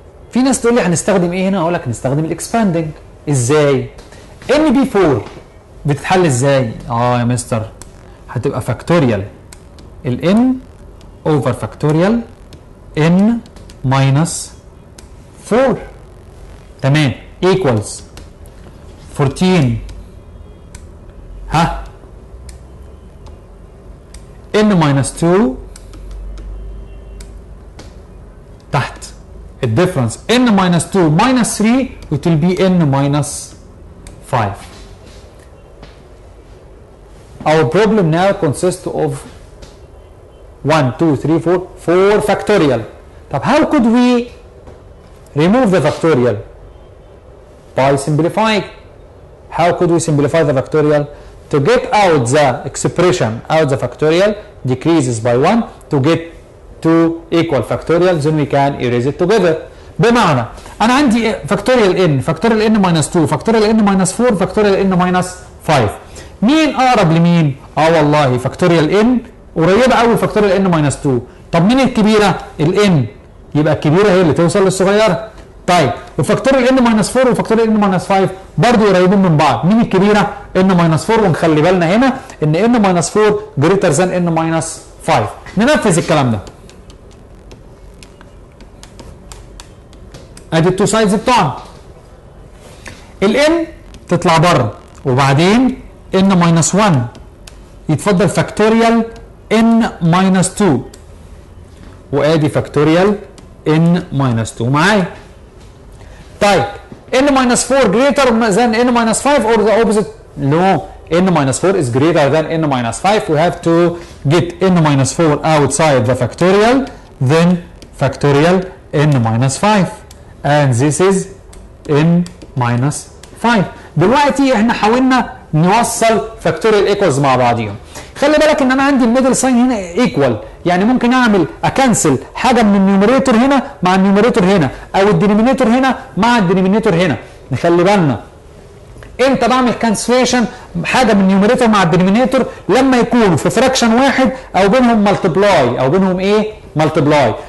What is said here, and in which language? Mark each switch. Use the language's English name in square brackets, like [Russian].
[Arabic] في ناس تقول لي هنستخدم ايه هنا؟ اقول لك نستخدم الاكسباندنج. ازاي؟ ان بي 4 بتتحل ازاي؟ اه يا مستر، هتبقى فاكتوريال الان اوفر فاكتوريال ان ماينس 4 تمام ايكوالز 14 ها ان ماينس 2 [English] تحت difference n minus 2 minus 3 it will be n minus 5. Our problem now consists of 1 2 3 4 4 factorial. طب how could we remove the factorial؟ by simplifying. How could we simplify the factorial? To get out the expression out the factorial decreases by 1 to get 2 equal factorials, then we can erase it together. بمعنى انا عندي factorial n, factorial n minus 2, factorial n minus 4, factorial n minus 5. [Arabic] مين اقرب لمين؟ اه والله factorial n قريبة قوي factorial n minus 2. طب مين الكبيرة؟ ال n. يبقى الكبيرة هي اللي توصل للصغيرة. طيب وفاكتوريال n minus 4 وفاكتوريال n minus 5 برضو قريبين من بعض. مين الكبيرة؟ n minus 4. ونخلي بالنا هنا ان [English] n minus 4 greater than n minus 5. [Arabic] ننفذ الكلام ده. ادي التو سايدز بتوعنا. ال n تطلع بره وبعدين n minus 1 يتفضل فاكتوريال n minus 2 وادي فاكتوريال n minus 2 معايا. [English] طيب n minus 4 greater than n minus 5 or the opposite? No, n minus 4 is greater than n minus 5. We have to get n minus 4 outside the factorial, then factorial n minus 5, and this is n minus 5. [Arabic] دلوقتي احنا حاولنا نوصل factorial equals مع بعضهم. خلي بالك ان انا عندي الميدل ساين هنا ايكوال, يعني ممكن اعمل اكنسل حاجه من النيوميريتور هنا مع النيوميريتور هنا او الدينومينيتور هنا مع الدينومينيتور هنا. نخلي بالنا انت بعمل كانسليشن حاجه من النيوميريتور مع الدينومينيتور لما يكون في فراكشن واحد او بينهم ملتبلاي او بينهم ايه ملتبلاي.